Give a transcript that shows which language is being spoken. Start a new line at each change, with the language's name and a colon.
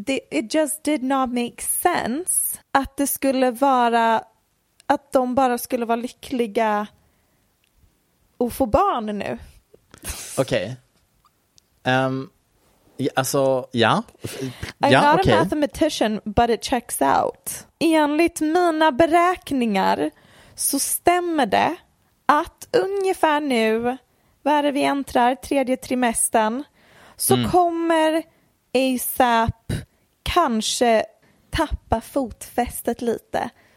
English: It just did not make sense
Swedish: att det skulle vara att de bara skulle vara lyckliga och få barn nu. Okej. Okay. Alltså, ja.
English: I'm not a mathematician, but it checks out.
Swedish: Enligt mina beräkningar så stämmer det att ungefär nu, var vi entrar, tredje trimestern, så kommer A$AP kanske tappa fotfästet lite.